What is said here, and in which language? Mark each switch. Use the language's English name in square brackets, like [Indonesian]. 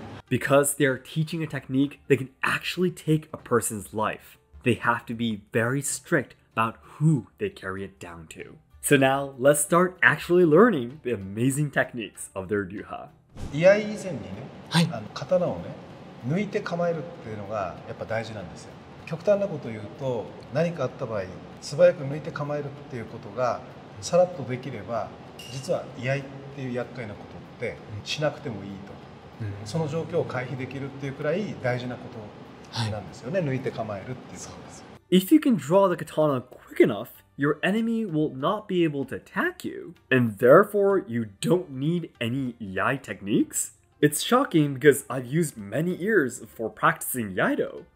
[English] Because they are teaching a technique that can actually take a person's life. they have to be very strict about who they carry it down to. So now, let's start actually learning the amazing techniques of their ryuha. [Japanese] イアイ以前にね、刀をね、抜いて構えるっていうのがやっぱ大事なんですよ。極端なことを言うと、何かあった場合、素早く抜いて構えるっていうことが、さらっとできれば、実は居合っていう厄介なことって、しなくてもいいと。その状況を回避できるっていうくらい大事なことなんですよね、抜いて構えるっていうことです。 [English] If you can draw the katana quick enough, your enemy will not be able to attack you, and therefore you don't need any iai techniques? It's shocking because I've used many years for practicing Iaido.